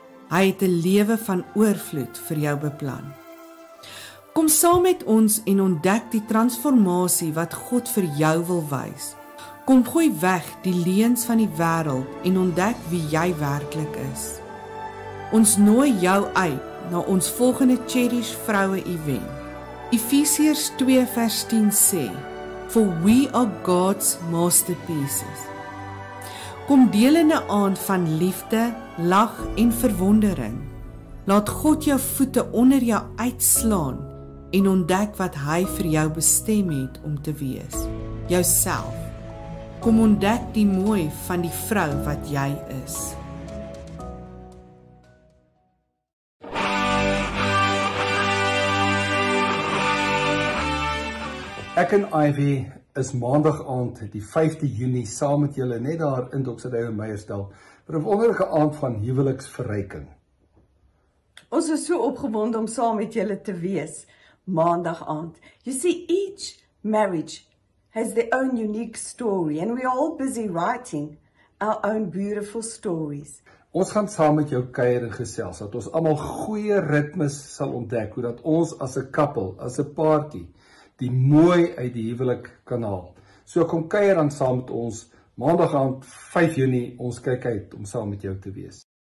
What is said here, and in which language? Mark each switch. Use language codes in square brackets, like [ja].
[af] Hy het 'n lewe van oorvloed vir jou beplan. Kom saam met ons en ontdek die transformasie wat God vir jou wil wys. Kom gooi weg die leuns van die wêreld en ontdek wie jy werklik is. Ons nooi jou uit na ons volgende Cherish Vroue Event. Efesiërs 2:10 sê, [en] "For we are God's masterpieces." [af] Kom deel in 'n aand van liefde, lag en verwondering. Laat God jou voete onder jou uitslaan en ontdek wat hy vir jou bestem het om te wees. Jouself. Kom ontdek die mooi van die vrou wat jy is. Ek en Ivy is maandag aand die 5de Junie saam met julle net daar in Doxa Deo Meyersdal vir 'n wonderlike aand van huweliksverryking. Ons is so opgewonde om saam met julle te wees maandag aand. [en] You see, each marriage has their own unique story and we are all busy writing our own beautiful stories. [af] Ons gaan saam met jou kuier en gesels dat ons almal goeie ritmes sal ontdek hoe dat ons as 'n koppel, as 'n paartjie die mooi uit die huwelik kanaal. So kom kuier dan saam met ons maandag aand 5 Junie. Ons kyk uit om saam met jou te wees.